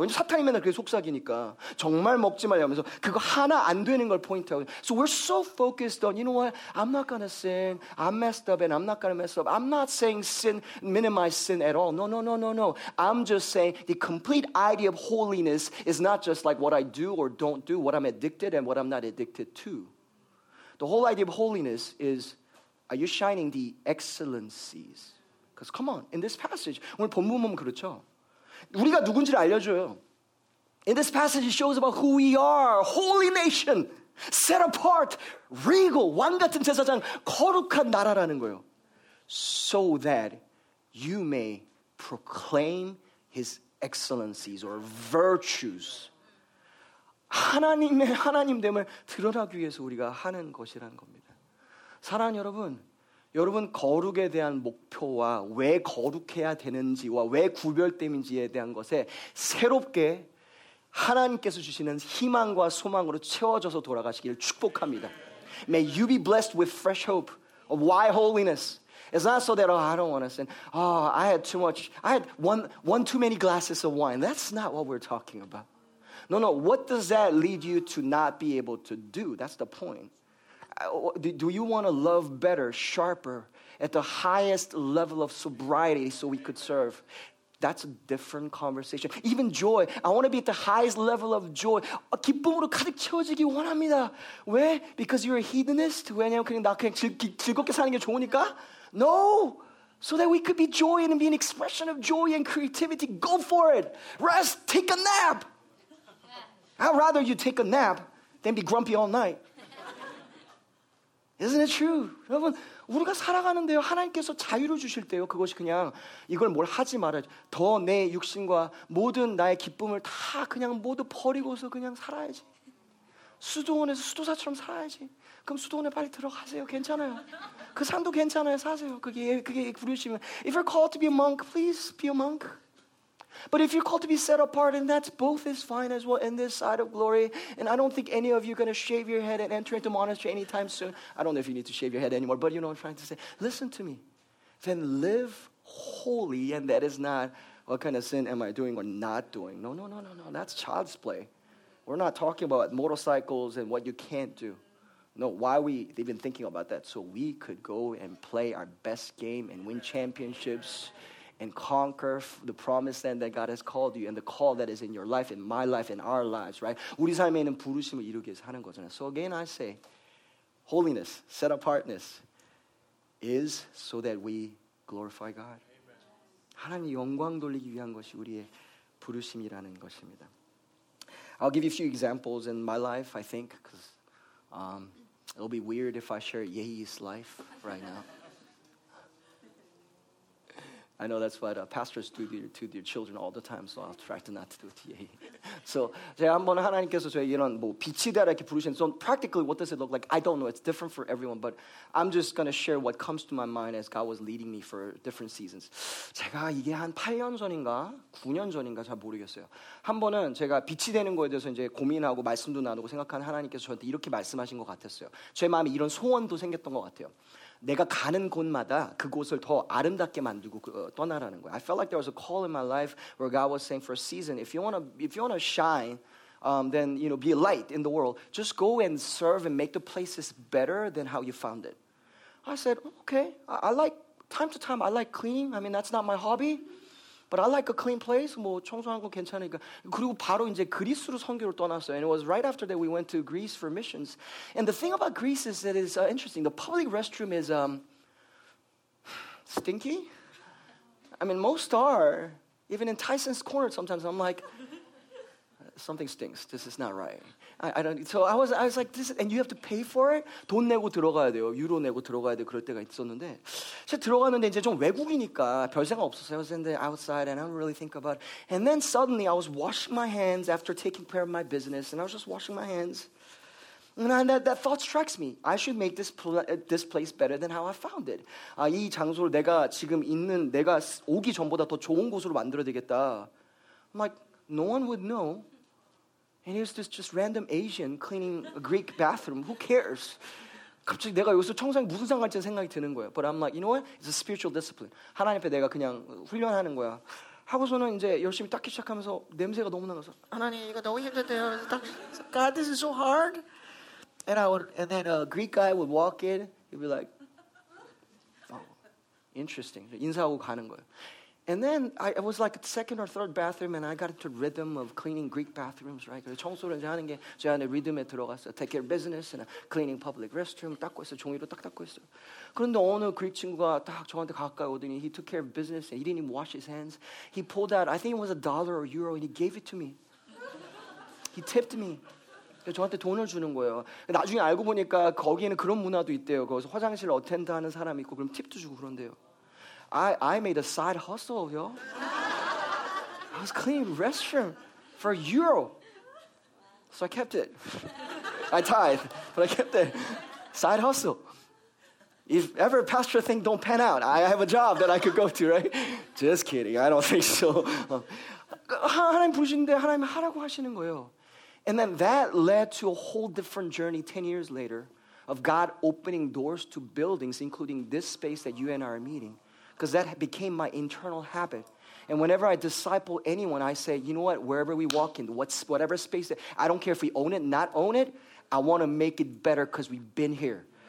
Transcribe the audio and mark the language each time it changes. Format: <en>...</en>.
<ko>왜냐면 사탄이 맨날 그게 속삭이니까 정말 먹지 말라 하면서 그거 하나 안 되는 걸 포인트하고.</ko> <en>So we're so focused on, you know what? I'm not gonna sin. I'm messed up and I'm not gonna mess up. I'm not saying sin, minimize sin at all. No. I'm just saying the complete idea of holiness is not just like what I do or don't do, what I'm addicted and what I'm not addicted to. The whole idea of holiness is, are you shining the excellencies? Because come on, in this passage,</en> <ko>오늘 본문 보면 그렇죠. 우리가 누군지를 알려줘요.</ko> <en>In this passage, it shows about who we are. Holy nation, set apart, regal,</en> <ko>왕같은 제사장, 거룩한 나라라는 거예요.</ko> <en>So that you may proclaim his excellencies or virtues.</en> <ko>하나님의 하나님됨을 드러나기 위해서 우리가 하는 것이라는 겁니다. 사랑하는 여러분, 여러분 거룩에 대한 목표와 왜 거룩해야 되는지와 왜 구별됨인지에 대한 것에 새롭게 하나님께서 주시는 희망과 소망으로 채워져서 돌아가시기를 축복합니다.</ko> <en>May you be blessed with fresh hope of why holiness. It's not so that, oh, I don't want to sin. Oh, I had too much. I had one too many glasses of wine. That's not what we're talking about. No. What does that lead you to not be able to do? That's the point. Do you want to love better, sharper, at the highest level of sobriety so we could serve? That's a different conversation. Even joy. I want to be at the highest level of joy.</en> <ko>기쁨으로 가득 채워지기 원합니다. 왜?</ko> <en>Because you're a hedonist?</en> <ko>왜냐면 그냥 나 그냥 즐겁게 사는 게 좋으니까?</ko> <en>No! So that we could be joy and be an expression of joy and creativity. Go for it! Rest! Take a nap! I'd rather you take a nap than be grumpy all night. Isn't it true?</en> <ko>여러분, 우리가 살아가는데요. 하나님께서 자유를 주실 때요. 그것이 그냥 이걸 뭘 하지 말아야죠. 더 내 육신과 모든 나의 기쁨을 다 그냥 모두 버리고서 그냥 살아야지. 수도원에서 수도사처럼 살아야지. 그럼 수도원에 빨리 들어가세요. 괜찮아요. 그 산도 괜찮아요. 사세요. 그게 부르시면.</ko> <en>If you're called to be a monk, please be a monk. But if you're called to be set apart, and that's both is fine as well in this side of glory, and I don't think any of you are going to shave your head and enter into monastery anytime soon. I don't know if you need to shave your head anymore, but you know what I'm trying to say. Listen to me. Then live holy, and that is not what kind of sin am I doing or not doing. No. That's child's play. We're not talking about motorcycles and what you can't do. No, why are we even thinking about that? So we could go and play our best game and win championships and conquer the promised land that God has called you and the call that is in your life, in my life, in our lives, right?</en> <ko>우리 삶에 있는 부르심을 이루기 위해서 하는 거잖아요.</ko> <en>So again, I say, holiness, set apartness is so that we glorify God.</en> <ko>하나님 영광 돌리기 위한 것이 우리의 부르심이라는 것입니다.</ko> <en>I'll give you a few examples in my life, I think, because it'll be weird if I share Yehi's life right now. I know that's what pastors do to their children all the time, so I'll try to not to do it to you.</en> <ko>So, 제가 한번 하나님께서 저에게 이런 뭐 빛이다 이렇게 부르셨는데,</ko> <en>so practically what does it look like? I don't know. It's different for everyone, but I'm just going to share what comes to my mind as God was leading me for different seasons.</en> <ko>제가 이게 한 8년 전인가 9년 전인가 잘 모르겠어요. 한 번은 제가 빛이 되는 거에 대해서 이제 고민하고 말씀도 나누고 생각한 하나님께서 저한테 이렇게 말씀하신 것 같았어요. 제 마음에 이런 소원도 생겼던 것 같아요. 내가 가는 곳마다 그곳을 더 아름답게 만들고 떠나라는 거예요.</ko> <en>I felt like there was a call in my life where God was saying for a season, if you want to shine, then you know, be a light in the world. Just go and serve and make the places better than how you found it. I said, okay. I like time to time. I like cleaning. I mean, that's not my hobby. But I like a clean place.</en> <ko>뭐 청소한 건 괜찮으니까. 그리고 바로 이제 그리스로 선교를 떠났어요.</ko> <en>And it was right after that we went to Greece for missions. And the thing about Greece is that it's interesting. The public restroom is stinky. I mean, most are. Even in Tyson's Corner sometimes I'm like, something stinks. This is not right. I was like this, and you have to pay for it.</en> <ko>돈 내고 들어가야 돼요. 유로 내고 들어가야 돼. 그럴 때가 있었는데, 제가 들어갔는데 이제 좀 외국이니까 별 생각 없었어요.</ko> <en>I was in the outside, and I don't really think about it. And then suddenly, I was washing my hands after taking care of my business, and I was just washing my hands. And that thought strikes me. I should make this place better than how I found it.</en> <ko>아, 이 장소를 내가 지금 있는 내가 오기 전보다 더 좋은 곳으로 만들어야 되겠다.</ko> <en>I'm like, no one would know. And here's this just random Asian cleaning a Greek bathroom. Who cares?</en> <ko>갑자기 내가 여기서 청소하는 무슨 상관인지 생각이 드는 거예요.</ko> <en>But I'm like, you know what? It's a spiritual discipline.</en> <ko>하나님 앞에 내가 그냥 훈련하는 거야. 하고서는 이제 열심히 닦기 시작하면서 냄새가 너무 나서 하나님 이거 너무 힘들대요.</ko> <en>God, this is so hard. And then a Greek guy would walk in. He'd be like, oh, interesting.</en> <ko>인사하고 가는 거예요.</ko> <en>And then it was like a second or third bathroom, and I got into rhythm of cleaning Greek bathrooms, right?</en> <ko>청소를 이제 하는 게 제 안에 리듬에 들어갔어.</ko> <en>Take care of business and cleaning public restroom.</en> <ko>닦고 있어, 종이로 딱 닦고 있어. 그런데 어느 Greek 친구가 딱 저한테 가까이 오더니</ko> <en>he took care of business and he didn't even wash his hands. He pulled out, I think it was a dollar or euro, and he gave it to me. He tipped me.</en> <ko>저한테 돈을 주는 거예요. 나중에 알고 보니까 거기에는 그런 문화도 있대요. 거기서 화장실 어텐드하는 사람이 있고 그럼 팁도 주고 그런대요.</ko> <en>I made a side hustle, yo. I was cleaning restroom for a euro. So I kept it. I tithe, but I kept it. Side hustle. If ever a pastor thing don't pan out, I have a job that I could go to, right? Just kidding. I don't think so.</en> <ko>하나님 부르시는데 하나님 하라고 하시는 거예요.</ko> <en>And then that led to a whole different journey 10 years later of God opening doors to buildings, including this space that you and I are meeting. Because that became my internal habit. And whenever I disciple anyone, I say, you know what, wherever we walk in, whatever space, I don't care if we own it, not own it, I want to make it better because we've been here.</en>